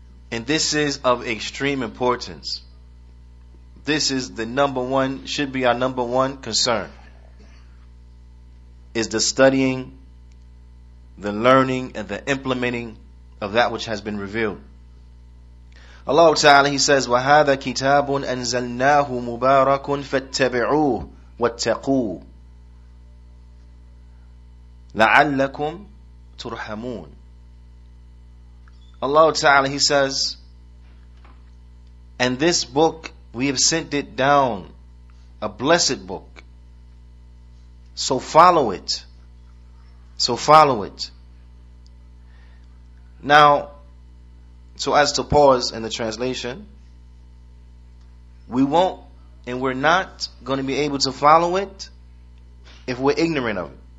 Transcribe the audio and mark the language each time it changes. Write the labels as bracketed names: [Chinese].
[English] And this is of extreme importance. This is the number one, should be our number one concern, is the studying, the learning, and the implementing of that which has been revealed. Allah Ta'ala, he says, [Arabic] وَهَذَا كِتَابٌ أَنزَلْنَاهُ مُبَارَكٌ فَاتَّبِعُوهُ وَاتَّقُوهُ لَعَلَّكُمْ تُرْحَمُونَ. [English] Allah Ta'ala, he says, and this book, we have sent it down, a blessed book. So follow it. So follow it. Now, so as to pause in the translation, we won't and we're not going to be able to follow it if we're ignorant of it.